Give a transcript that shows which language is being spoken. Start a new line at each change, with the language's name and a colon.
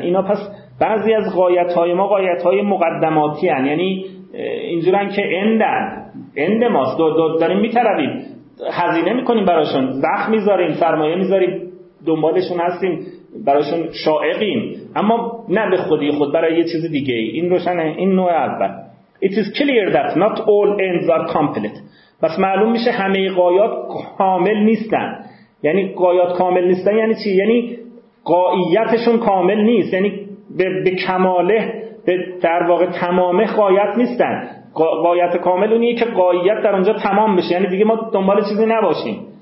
Persian: اینا پس بعضی از غایت های ما غایت های مقدماتی هن، یعنی اینجورن که اند ماست، داریم میتربیم، هزینه میکنیم براشون، وقت میذاریم، سرمایه میذاریم، دنبالشون هستیم، براشون شائقیم، اما نه به خودی خود، برای یه چیز دیگه. این روشنه، این نوع اول.
English: It is clear that not all ends are complete.
Persian: پس معلوم میشه همه غایات کامل نیستن. یعنی غایات کامل نیستن یعنی چی؟ یعنی غایتشون کامل نیست، یعنی به کماله، به در واقع تمامه غایت نیستن. غایت کامل اونیه که غایت در اونجا تمام بشه، یعنی دیگه ما دنبال چیزی نباشیم.